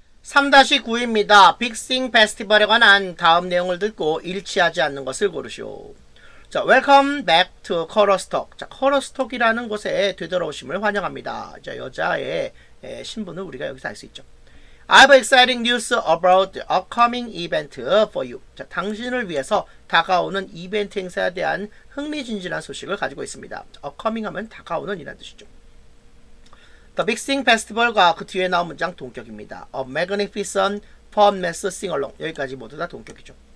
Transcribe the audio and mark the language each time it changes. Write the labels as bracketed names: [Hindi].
[Korean] 3-9입니다. 빅싱 페스티벌에 관한 다음 내용을 듣고 일치하지 않는 것을 고르시오. [English] 자, welcome back to 커러스톡. [Korean] 자, 커러스톡이라는 곳에 되돌아오심을 환영합니다. 자, 여자의 신분은 우리가 여기서 알 수 있죠. [English] I have exciting news about the upcoming event for you. [Korean] 자, 당신을 위해서 다가오는 이벤트 행사에 대한 흥미진진한 소식을 가지고 있습니다. upcoming 하면 다가오는 이란 뜻이죠. The Big Sing Festival과 그 뒤에 나온 문장 동격입니다. [English] A magnificent performance sing-along. [Korean] 여기까지 모두 다 동격이죠.